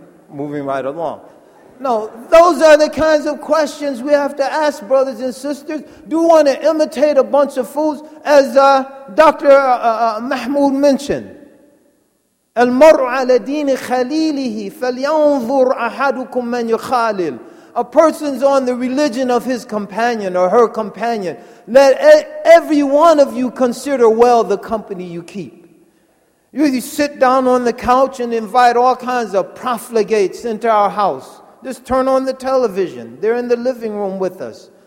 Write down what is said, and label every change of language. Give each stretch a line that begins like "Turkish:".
English: Moving right along. No, those are the kinds of questions we have to ask, brothers and sisters. Do you want to imitate a bunch of fools? As Dr. Mahmoud mentioned,
Arabic: المرء على دين خليله فلينظر أحدكم من يخالل.
English: A person's on the religion of his companion or her companion. Let every one of you consider well the company you keep. You sit down on the couch and invite all kinds of profligates into our house. Just turn on the television. They're in the living room with us.